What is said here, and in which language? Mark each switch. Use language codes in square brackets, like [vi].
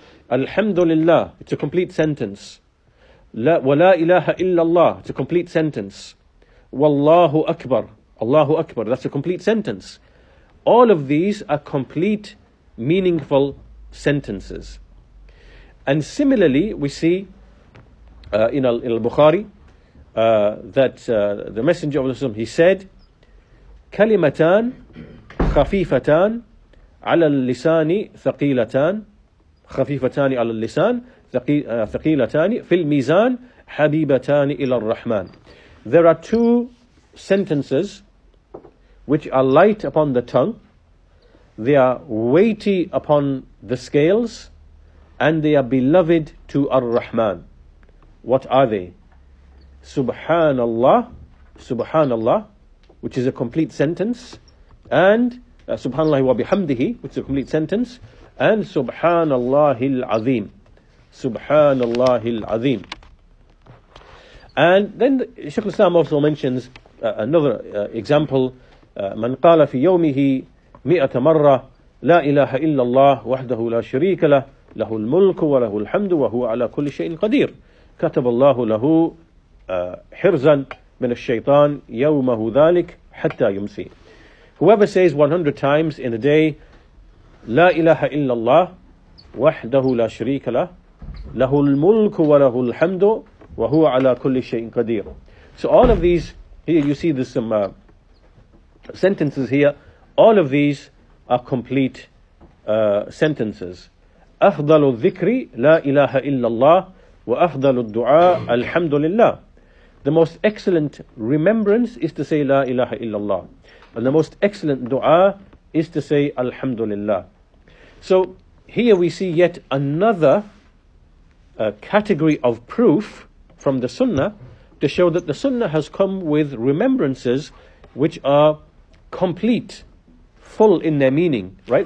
[en] Alhamdulillah, it's a complete sentence. [ar] وَلَا إِلَهَ إِلَّا اللَّهُ, [en] it's a complete sentence. [ar] وَاللَّهُ أَكْبَرُ, [en] Allahu Akbar, that's a complete sentence. All of these are complete, meaningful sentences. And similarly, we see in Al-Bukhari that the Messenger of Allah, he said, [ar] كَلِمَتَان خَفِيفَتَان عَلَى اللِّسَانِ ثَقِيلَتَان خَفِيفَتَانِ عَلَى اللِّسَانِ ثَقِيلَتَانِ فِي الْمِيزَانِ حَبِيبَتَانِ إِلَى الرَّحْمَانِ. [en] There are two sentences which are light upon the tongue, they are weighty upon the scales, and they are beloved to Ar-Rahman. What are they? Subhanallah, Subhanallah, which is a complete sentence, and Subhanallah wa bihamdihi, which is a complete sentence, and Subhanallahil Azim, Subhanallahil Azim. And then Shaykh al-Islam also mentions another example. [ar] من قال في يومه مئة مرة لا إله إلا الله وحده لا شريك له له الملك وله الحمد وهو على كل شيء قدير كتب الله له حرزا من الشيطان يومه ذلك حتى يمسي. [en] Whoever says 100 times in a day [ar] لا إله إلا الله وحده لا شريك له له الملك وله الحمد وهو على كل شيء قدير. [en] So all of these, here you see this sentences here, all of these are complete sentences. [ar] أفضل الذكر لا إله إلا الله وأفضل الدعاء الحمد لله. [en] The most excellent remembrance is to say [ar] لا إله إلا الله, [en] and the most excellent dua is to say [ar] الحمد لله. [en] So here we see yet another category of proof from the Sunnah to show that the Sunnah has come with remembrances which are complete, full in their meaning, right?